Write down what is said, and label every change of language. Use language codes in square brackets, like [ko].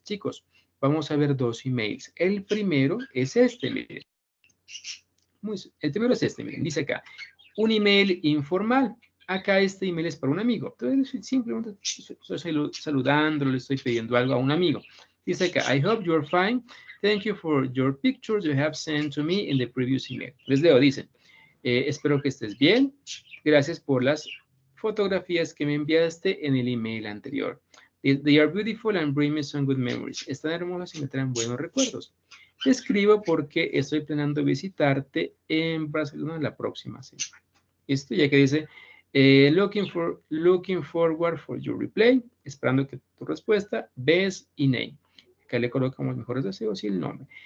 [es] Chicos, vamos a ver dos emails. El primero es este, miren. Dice acá, un email informal. Acá este email es para un amigo. Entonces, simplemente estoy saludándolo, le estoy pidiendo algo a un amigo. Dice acá, [en] I hope you're fine. Thank you for your pictures you have sent to me in the previous email. [es] Les leo, dice, espero que estés bien. Gracias por las fotografías que me enviaste en el email anterior. [en] They are beautiful and bring me some good memories. [es] Están hermosas y me traen buenos recuerdos. Te escribo porque estoy planeando visitarte en Barcelona la próxima semana. Esto ya que dice, [en] looking forward for your reply. [es] Esperando que tu respuesta, best y name. Acá le colocamos mejores deseos y el nombre.